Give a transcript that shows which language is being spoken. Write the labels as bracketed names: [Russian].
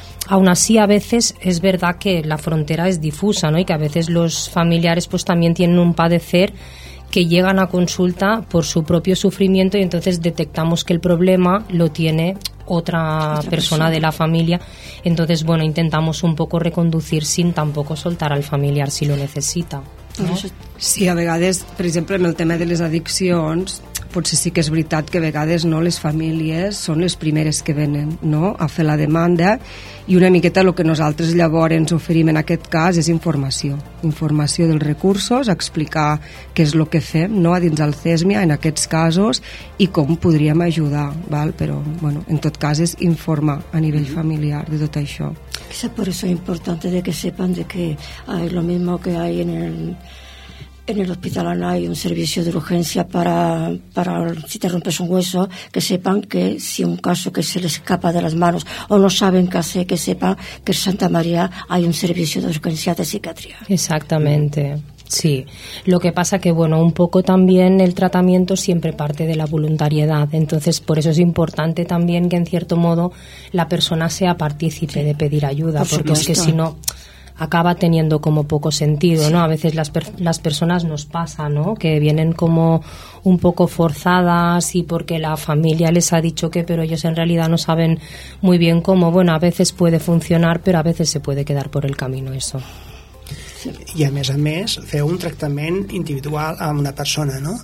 [Spanish] Aún así, a veces es verdad que la frontera es difusa, ¿no? Y que a veces los familiares pues también tienen un padecer que llegan a consulta por su propio sufrimiento y entonces detectamos que el problema lo tiene otra persona de la familia. Entonces, bueno, intentamos un poco reconducir sin tampoco soltar al familiar si lo necesita, ¿no? [Catalan] Sí, a vegades, per exemple, en el tema de les addiccions, potser sí que és veritat que a vegades no les famílies són les primeres que venen, no, a fer la demanda, i una miqueta el que nosaltres llavors ens oferim en aquest cas és informació dels recursos, explicar què és el que fem, no, a dins del CESMIA en aquests casos i com podríem ajudar, val? Però bueno, en tot cas és informar a nivell familiar de tot això. És per això important [Spanish] de que sepan de que és lo mismo que hay en el hospital Ana hay un servicio de urgencia para si te rompes un hueso, que sepan que si un caso que se les escapa de las manos o no saben qué hacer, que sepan que en Santa María hay un servicio de urgencia de psiquiatría. Exactamente, sí. Lo que pasa que, bueno, un poco también el tratamiento siempre parte de la voluntariedad. Entonces, por eso es importante también que, en cierto modo, la persona sea partícipe de pedir ayuda. Por porque supuesto. Es que si no... acaba teniendo como poco sentido, ¿no? A veces las personas nos pasa, ¿no? Que vienen como un poco forzadas y porque la familia les ha dicho que, pero ellos en realidad no saben muy bien cómo. Bueno, a veces puede funcionar, pero a veces se puede quedar por el camino eso. [Catalan] I a més, fer un tractament individual amb una persona, no?